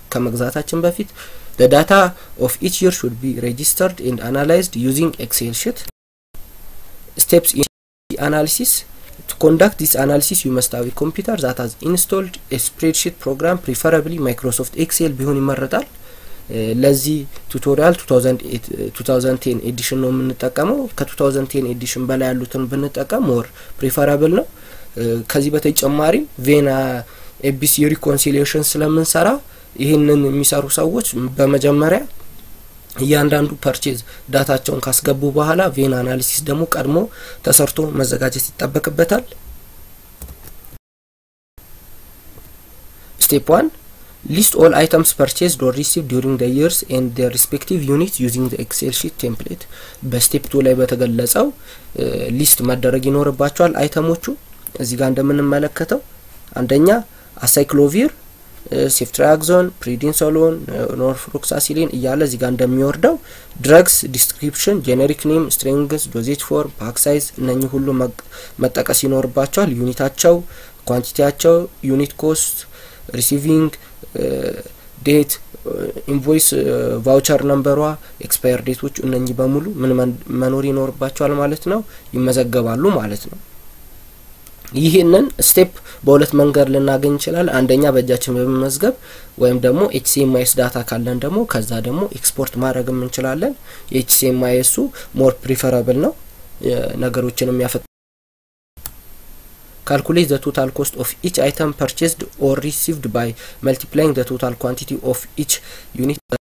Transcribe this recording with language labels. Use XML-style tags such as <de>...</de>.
<am>ከመግዛታችን በፊት</am> <en>the data of each year should be registered and analyzed using Excel sheet. Steps in the analysis. To conduct this analysis you must have a computer that has installed a spreadsheet program, preferably Microsoft Excel</en> <am>ቢሆን ይመረጣል. ለዚህ ቱቶሪያል 2010 edition ነው የምንጠቀመው. ከ2010 edition በላይ ያሉትን ብንጠቀም</am> <en>more preferable</en> <am>ነው. ከዚህ በተጨማሪ VEN ABC reconciliation ስለምንሰራ ይሄንን የሚሰሩ ሰዎች በመጀመሪያ ያንዳንዱ purchase dataቸውን ካስገቡ በኋላ VEN analysis ደግሞ ቀድሞ ተሰርቶ መዘጋጀት ይጠበቅበታል.</am> <en>Step 1. List all items purchased or received during the years and their respective units using the Excel sheet template.</en> <am>በstep 2 ላይ በተገለጸው list ማደረግ ይኖርባቸዋል አይተሞቹ. እዚህ ጋር እንደምንመለከተው አንደኛ acyclovir, ceftriaxone, prednisolone, norfloxacilin እያለ እዚህ ጋር እንደሚወርደው</am> <en>drugs description, generic name, strength, dosage form, pack size</en> <am>እነኚህ ሁሉ መጠቀስ ይኖርባቸዋል. ዩኒታቸው, ኳንቲቲያቸው, unit cost, receiving date, invoice, voucher number, expiry dateዎች እነኚህ በሙሉ ምን መኖር ይኖርባቸዋል ማለት ነው ይመዘገባሉ ማለት ነው. ይሄንን step በሁለት መንገድ ልናገኝ ይችላል. አንደኛ በጃችን በመመዝገብ ወይም ደግሞ HCMIS data ካለን ደግሞ ከዛ ደግሞ export ማድረግም እንችላለን. HCMIS</am> <en>more preferable</en> <am>ነው ነገሮችንም ያፈጥናል.</am> <en>Calculate the total cost of each item purchased or received by multiplying the total quantity of each unit.</en>